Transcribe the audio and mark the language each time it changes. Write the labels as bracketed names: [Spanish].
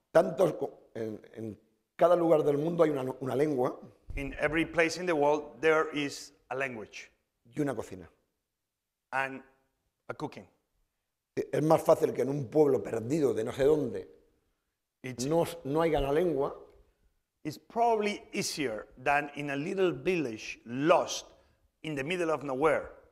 [Spanish] Tantos en cada lugar del mundo hay una lengua. [English] In every place in the world there is a language. [Spanish] Y una cocina. [English] And a cooking. [Spanish] Es más fácil que en un pueblo perdido de no sé dónde no haya una lengua. [English] It's probably easier than in a little village lost in the middle of nowhere.